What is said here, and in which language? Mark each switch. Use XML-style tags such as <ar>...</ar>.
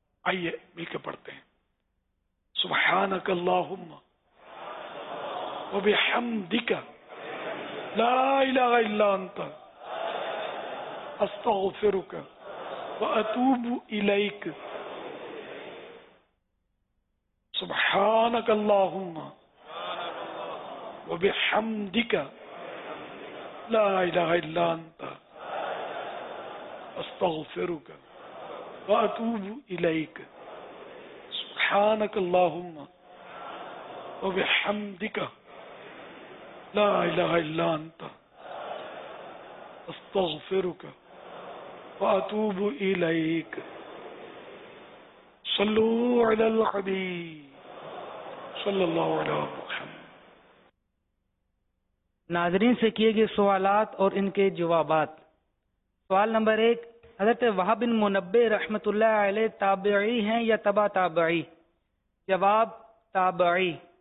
<ur>آئیے مل کے پڑھتے ہیں,</ur> <ar>سبحانک اللہم و بحمدک لا الہ الا انت استغفرک و اتوب الیک. سبحانك اللهم وبحمدك لا إله إلا أنت أستغفرك وأتوب إليك. سبحانك اللهم وبحمدك لا إله إلا أنت أستغفرك وأتوب إليك. صلوا على الحبيب صلی اللہ علیہ وسلم.</ar> <ur>ناظرین سے کیے گئے سوالات اور ان کے جوابات. سوال نمبر ایک, حضرت وہب بن منبہ رحمۃ اللہ علیہ تابعی ہیں یا تبع تابعی؟ جواب, تابعی.</ur>